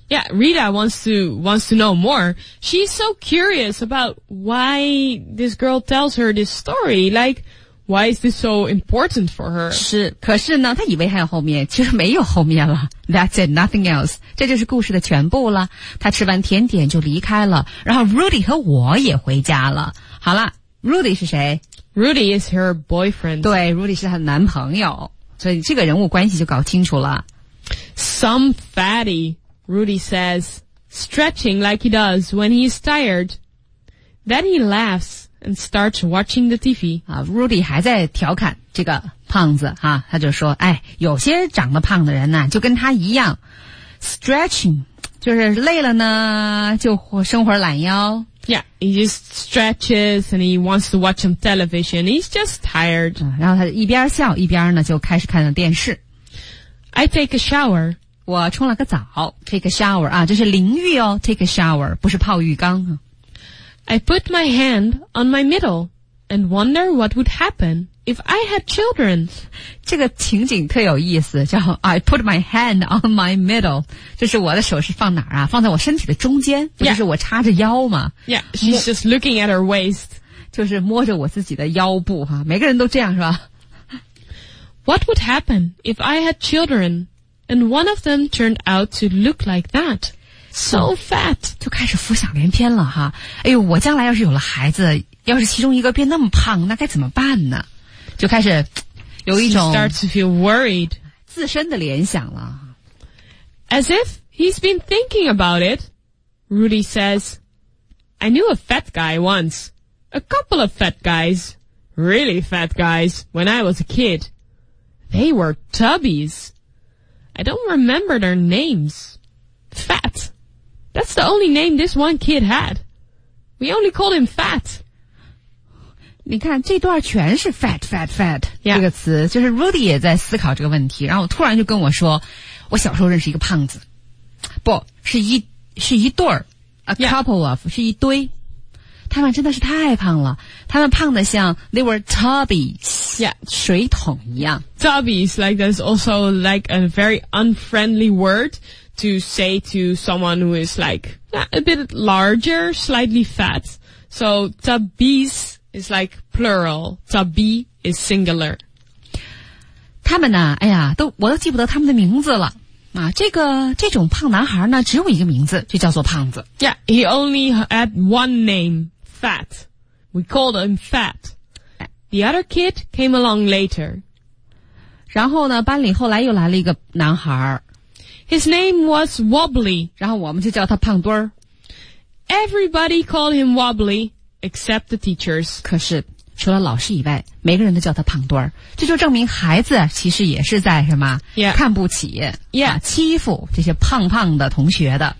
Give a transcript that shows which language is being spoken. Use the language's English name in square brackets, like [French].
[English] ？Yeah, Rita wants to know more. She's so curious about why this girl tells her this story. Like, why is this so important for her? [Chinese] 是，可是呢，她以为还有后面，其实没有后面了。 [English] That's it, nothing else. [Chinese] 这就是故事的全部了。她吃完甜点就离开了，然后 Rudy 和我也回家了。好了 ，Rudy 是谁？ [English] Rudy is her boyfriend. [Chinese] 对 ,Rudy 是她的男朋友。所以这个人物关系就搞清楚了。 [English] Some fatty, Rudy says, stretching like he does when he is tired. Then he laughs and starts watching the TV. [Chinese] Rudy 还在调侃这个胖子啊，他就说哎，有些长得胖的人呢就跟他一样。 Stretching, 就是累了呢就伸会懒腰。 [English] Yeah, he just stretches and he wants to watch some television. He's just tired. [Chinese] 然后他一边笑一边呢就开始看电视。 [English] I take a shower. [Chinese] 我冲了个澡。 [English] Take a shower, [Chinese] 这是淋浴哦。 Take a shower, 不是泡浴缸。 [English] I put my hand on my middle and wonder what would happen if I had children. [Chinese] 这个情景特有意思，叫 [English] I put my hand on my middle. [Chinese] 就是我的手是放哪儿啊，放在我身体的中间，不就是我插着腰吗？ [English] Yeah, she's just looking at her waist. [Chinese] 就是摸着我自己的腰部哈，每个人都这样是吧？ [English] What would happen if I had children and one of them turned out to look like that? So fat. [Chinese] 就开始浮想联翩了哈。哎呦，我将来要是有了孩子，要是其中一个变那么胖，那该怎么办呢？就开始有一种 [English] start to feel worried [Chinese] 自身的联想了。 [English] As if he's been thinking about it, Rudy says, I knew a fat guy once, a couple of fat guys, really fat guys, when I was a kid. They were tubbies. I don't remember their names. Fat. That's the only name this one kid had. We only called him Fat. [Chinese] 你看这段全是 fat, fat, fat,、 yeah. 这个词就是 Rudy 也在思考这个问题，然后突然就跟我说我小时候认识一个胖子，不是一对儿 a couple、 yeah. of, 是一堆，他们真的是太胖了，他们胖得像 [English] they were tubbies,、 yeah. [Chinese] 水桶一样。 [English] Tubbies, like that's also like a very unfriendly word to say to someone who is like a bit larger, slightly fat, so tubbiesIt's like plural. Tubby is singular. [Chinese] 他们呢，哎呀，我都记不得他们的名字了。这种胖男孩呢，只有一个名字，就叫做胖子。 [English] Yeah, he only had one name, Fat. We called him Fat. The other kid came along later. [Chinese] 然后呢，班里后来又来了一个男孩。 [English] His name was Wobbly. [Chinese] 然后我们就叫他胖墩儿。 [English] Everybody called him Wobbly. except the teachers. [Chinese] 可是除了老师以外，每个人都叫他胖墩儿，这就证明孩子其实也是在什么、 yeah. 看不起、 yeah. 啊、欺负这些胖胖的同学的、